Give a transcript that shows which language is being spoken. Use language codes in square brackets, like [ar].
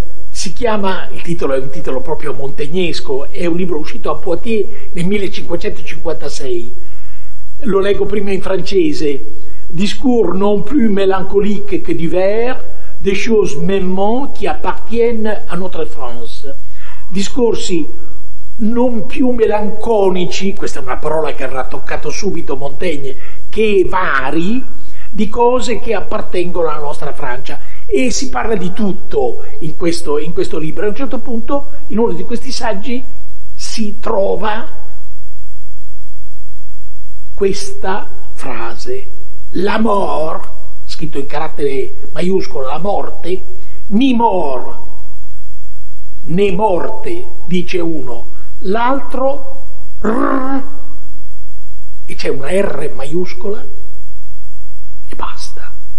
[it] Si chiama, il titolo è un titolo proprio montegnesco, è un libro uscito a Poitiers nel 1556. Lo leggo prima in francese. [fr] Discours non plus mélancolique que divers, des choses mêmement qui appartiennent à notre France. [it] Discorsi non più melanconici, questa è una parola che avrà toccato subito Montaigne, che vari, di cose che appartengono alla nostra Francia. E si parla di tutto in questo libro. A un certo punto, in uno di questi saggi, si trova questa frase: [fr] la mort, [it] scritto in carattere maiuscolo, la morte, [fr] ni mort, [it] né morte, dice uno, l'altro, e c'è una R maiuscola, e basta.